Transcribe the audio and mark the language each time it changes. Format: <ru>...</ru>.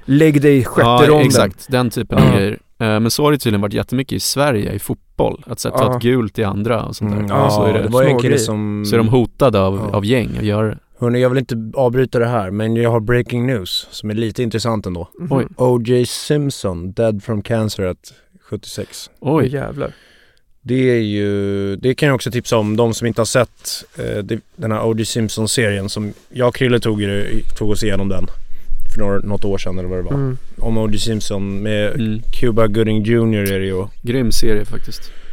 <sv>Lägg dig i sjätte ronden. Exakt, den typen av grejer. Men så har det tydligen varit jättemycket i Sverige i fotboll, att sätta ett gult i andra och sånt där. Så är det var en kille som... Så är de hotade av gäng och gör... Hörrni, jag vill inte avbryta det här, men jag har breaking news som är lite intressant ändå.</sv> <en>O.J. Simpson, dead from cancer at 76.</en> <sv>Oj, jävlar. Det är ju, det kan jag också tipsa om, de som inte har sett den här O.J. Simpson-serien, som jag och Krille tog oss igenom den för något år sedan eller vad det var. Om O.J. Simpson med Cuba Gooding Jr. är det ju. Grym serie faktiskt.</sv>